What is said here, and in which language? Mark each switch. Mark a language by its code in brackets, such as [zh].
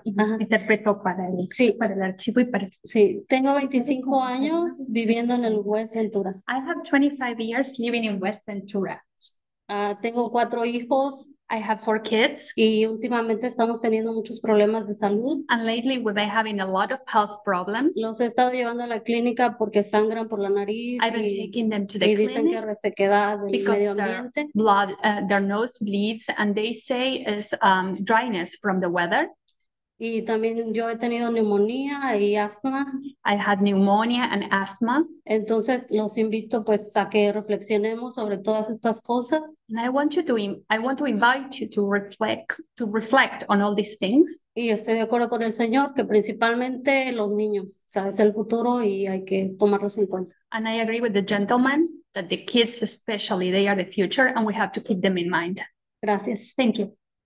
[es] Interpreto para el archivo y para sí. Tengo 25 años viviendo en el West Ventura. [en] I have 25 years living in West Ventura. [es] Tengo cuatro hijos. [en] I have four kids. [es] Y últimamente estamos teniendo muchos problemas de salud. [en] And lately we've been having a lot of health problems. [es] Los he estado llevando a la clínica porque sangran por la nariz. [en] I've been taking them to the clinic. [es] Y dicen que resequedad del medio ambiente. [en] Because blood, their nose bleeds and they say it's dryness from the weather. [es] Y también yo he tenido neumonía y asma. [en] I had pneumonia and asthma. [es] Entonces los invito pues a que reflexionemos sobre todas estas cosas. [en] And I want to invite you to reflect on all these things. [es] Y estoy de acuerdo con el señor que principalmente los niños, o sea, es el futuro y hay que tomarlos en cuenta. [en] And I agree with the gentleman that the kids especially, they are the future and we have to keep them in mind. [es] Gracias. [en] Thank you.